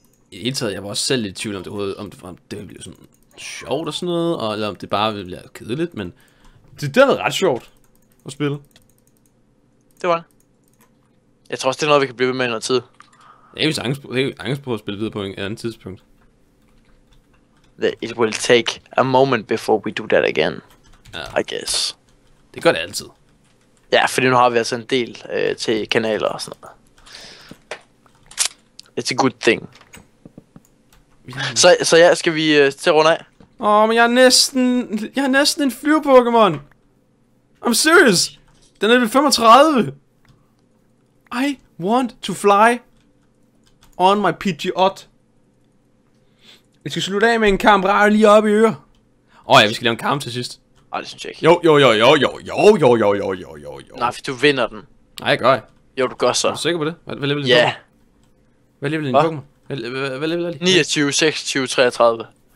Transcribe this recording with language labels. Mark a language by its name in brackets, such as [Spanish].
[Danish] I det hele taget, jeg var også selv lidt i tvivl om det ville blive sådan sjovt og sådan noget, eller om det bare ville blive kedeligt, men det har været ret sjovt. at spille. Det var det. Jeg tror også, det er noget, vi kan blive ved med i noget tid. Det er jo angst på at spille videre på en anden tidspunkt. [English] It will take a moment before we do that again. Ja. I guess. [Danish] Det gør det altid. Ja, fordi nu har vi altså en del til kanaler og sådan noget. [English] It's a good thing. [Danish] Så ja, skal vi til at runde af? Åh, men jeg er næsten en flyve-Pokémon. [English] I'm serious. [Danish] Den er ved 35. [English] I want to fly on my Pidgeot. [Danish] Vi skal slutte af med en kamp rart lige oppe i øre. Åh ja, vi skal lave en kamp til sidst. Ej, det synes jeg ikke. Jo. Nej, for du vinder den. Nej, jeg gør jeg. Jo, du gør så. Er du sikker på det? Hvad level er din Pokémon? Hvad level er din Pokémon? Hvad level er din? 29, 26, 33.